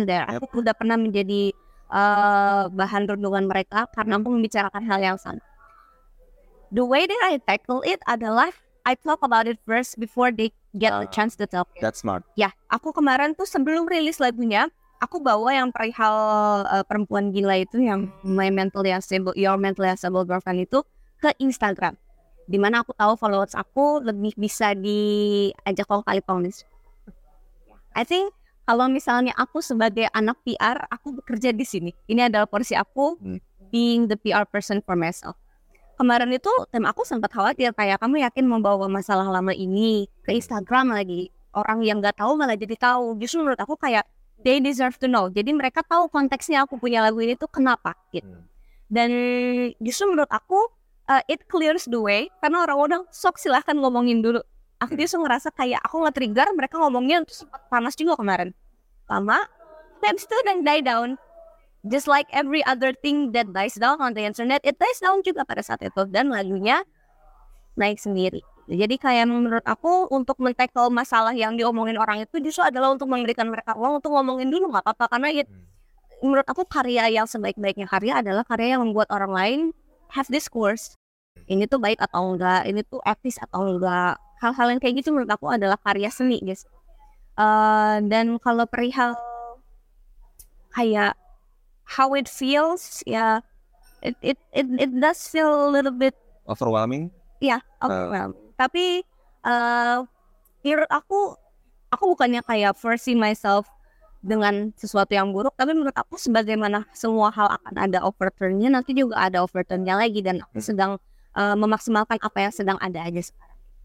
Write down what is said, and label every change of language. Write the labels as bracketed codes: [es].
[id] Aku udah pernah menjadi bahan renungan mereka karena aku membicarakan hal yang sama. [en] The way that I tackle it [id] adalah [en] I talk about it first before they get the chance to talk it. That's smart. [id] Yeah, aku kemarin tuh sebelum rilis lagunya, aku bawa yang perihal perempuan gila itu, yang [en] your mentally unstable girlfriend [id] itu, ke Instagram. Dimana aku tahu followers aku lebih bisa diajak kongkali-kongis. [en] I think [id] kalau misalnya aku sebagai anak PR, aku bekerja di sini. Ini adalah porsi aku [en] being the PR person for myself. [id] Kemarin itu tim aku sempat khawatir, kayak kamu yakin membawa masalah lama ini ke Instagram lagi? Orang yang gak tahu malah jadi tahu. Justru menurut aku kayak [en] they deserve to know. [id] Jadi mereka tahu konteksnya aku punya lagu ini tuh kenapa gitu. Dan justru menurut aku [en] it clears the way, [id] karena orang-orang sok silahkan ngomongin dulu. Aku dia ngerasa kayak aku nggak trigger, mereka ngomongnya tuh sempat panas juga kemarin. Lama, habis itu dan [en] die down. Just like every other thing that dies down on the internet, it dies down [id] juga pada saat itu. Dan lagunya naik sendiri. Jadi kayak menurut aku untuk men-tackle masalah yang diomongin orang itu justru adalah untuk memberikan mereka ruang untuk ngomongin dulu, nggak apa-apa. Karena it, menurut aku karya yang sebaik-baiknya karya adalah karya yang membuat orang lain [en] have discourse. [id] Ini tuh baik atau enggak, ini tuh etis atau enggak. Hal-hal yang kayak gitu menurut aku adalah karya seni, guys. Dan kalau perihal kayak [en] how it feels, ya it does feel a little bit overwhelming. Ya, overwhelming. [id] Tapi menurut aku bukannya kayak [en] forcing myself [id] dengan sesuatu yang buruk, tapi menurut aku sebagaimana semua hal akan ada overturn-nya, nanti juga ada overturn-nya lagi, dan aku sedang memaksimalkan apa yang sedang ada aja sekarang.